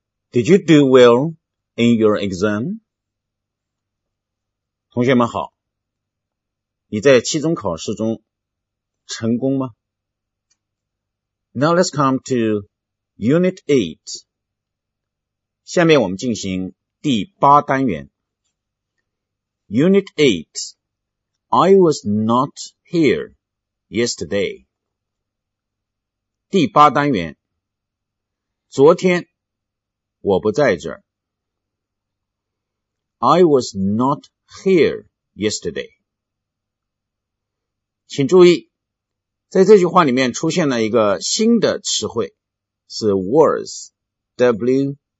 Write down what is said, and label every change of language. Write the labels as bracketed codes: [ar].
[en] Did you do well in your exam? [zh] 同学们好，你在期中考试中成功吗？ [en] Now let's come to Unit 8. [zh] 下面我们进行第八单元。 [en] Unit 8. I was not here yesterday. [zh] 第八单元。昨天我不在这儿。 [en] I was not here yesterday. [zh] 请注意，在这句话里面出现了一个新的词汇，是 was, W-A-S。